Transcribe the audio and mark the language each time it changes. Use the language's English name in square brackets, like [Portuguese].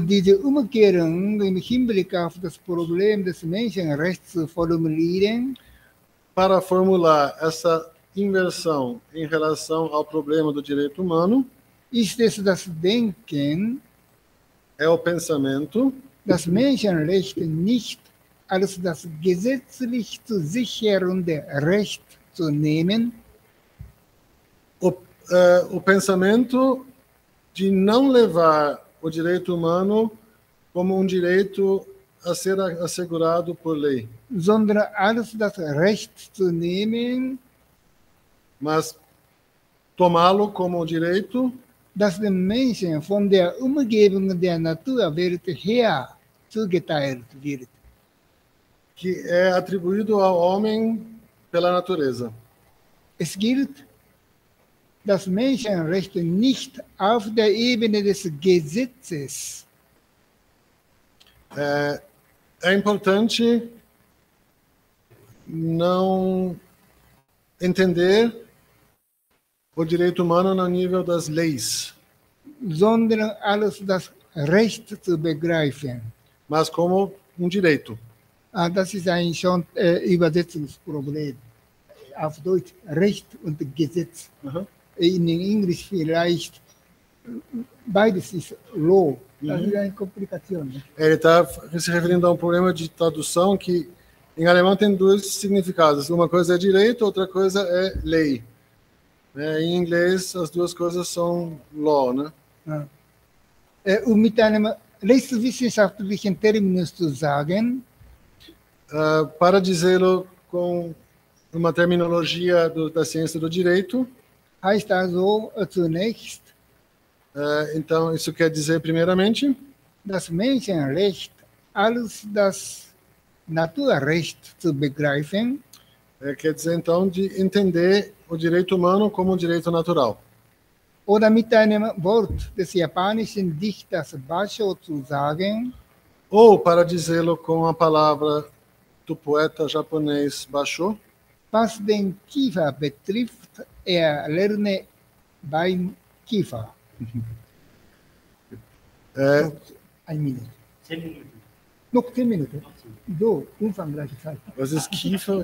[German] Diese Umkehrung im Hinblick auf das Problem des Menschenrechts zu formulieren. [Portuguese] Para formular essa inversão em relação ao problema do direito humano. [German] Ist es das Denken, [Portuguese] é o pensamento, [German] das Menschenrecht nicht als das gesetzlich zu sichernde Recht zu nehmen? [Portuguese] O pensamento de não levar o direito humano como direito a ser assegurado por lei. [German] Sondern als das Recht zu nehmen, [Portuguese] mas tomá-lo como o direito [German] das den Menschen von der Umgebung der Naturwelt her zugeteilt wird, [Portuguese] que é atribuído ao homem pela natureza. [German] Es gilt das Menschenrecht nicht auf der Ebene des Gesetzes. [Portuguese] É importante não entender o direito humano no nível das leis, [German] sondern als das Recht zu begreifen, [Portuguese] mas como direito. [German] Ah, das ist ein schon Übersetzungsproblem. Auf Deutsch Recht und Gesetz. Uh-huh. In Englisch vielleicht beides ist Law. [Portuguese] Ele está se referindo a um problema de tradução que em alemão tem dois significados. Uma coisa é direito, outra coisa é lei. É, em inglês, as duas coisas são law, né? [German] Um mit einem rechtswissenschaftlichen Terminus zu sagen. [Portuguese] Para dizê-lo com uma terminologia da ciência do direito. [German] Heißt also zunächst. [Portuguese] Então, isso quer dizer, primeiramente, [German] das Menschenrecht als das Naturrecht zu begreifen. [Portuguese] Quer dizer, então, de entender o direito humano como um direito natural. [German] Oder mit einem Wort des japanischen Dichters Basho zu sagen. [Portuguese] Ou para dizê-lo com a palavra do poeta japonês Basho. [German] Was den Kiefer betrifft, lerne beim Kiefer. Was ist Kiefer?